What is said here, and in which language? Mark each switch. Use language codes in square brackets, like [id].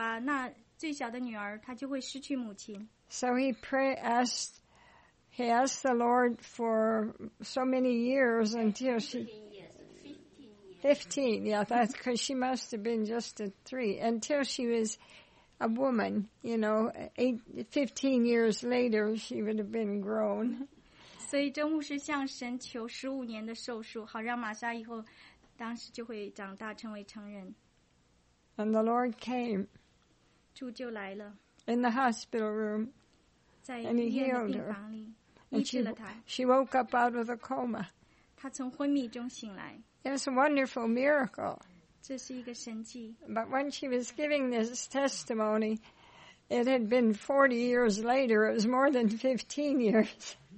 [zh] 当时周牧师祷告说，主啊，那最小的女儿她就会失去母亲。 [en] So he asked the Lord for so many years until she 15, yeah, that's because she must have been just a three, until she was a woman, you know, 15 years later she would have been grown. [zh] 所以周牧师向神求15年的寿数，好让玛莎以后当时就会长大成为成人。 [en] And the Lord came [zh] 主就来了, [en] in the hospital room, and he healed her, and she woke up out of the coma. It was a wonderful miracle. [zh] 这是一个神迹, [en] but when she was giving this testimony, it had been 40 years later, it was more than 15 years.